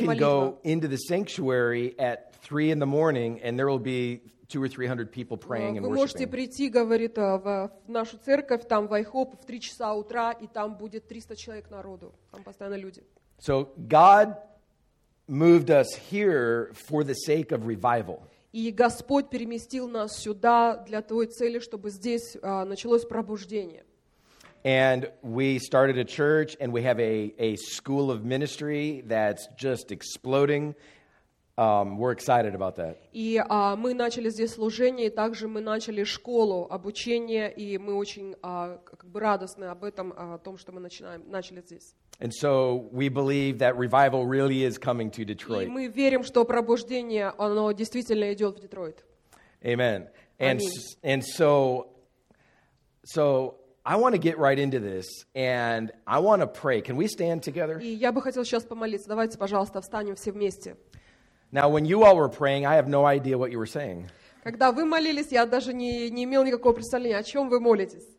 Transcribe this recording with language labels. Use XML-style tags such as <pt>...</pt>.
<en>And you can go into the sanctuary at 3 in the morning, and there will be 200 or 300 people praying and worshiping.</en> <ru>Вы можете прийти, говорит, в нашу церковь там в Айхоп в 3 часа утра, и там будет 300 человек народу. Там постоянно люди.</ru> <en>So God moved us here for the sake of revival.</en> <ru>И Господь переместил нас сюда для той цели, чтобы здесь началось пробуждение.</ru> <en>And we started a church, and we have a school of ministry that's just exploding. We're excited about that.</en> <ru>И мы начали здесь служение, и также мы начали школу обучения, и мы очень как бы радостны об этом, о том, что мы начали здесь.</ru> <en>And so we believe that revival really is coming to Detroit.</en> <ru>И мы верим, что пробуждение оно действительно идет в Детройт.</ru> <en>Amen. And so I want to get right into this, and I want to pray. Can we stand together?</en> <ru>И я бы хотел сейчас помолиться. Давайте, пожалуйста, встанем все вместе.</ru> <en>Now, when you all were praying, I have no idea what you were saying.</en> <ru>Когда вы молились, я даже не имел никакого представления, о чем вы молитесь.</ru>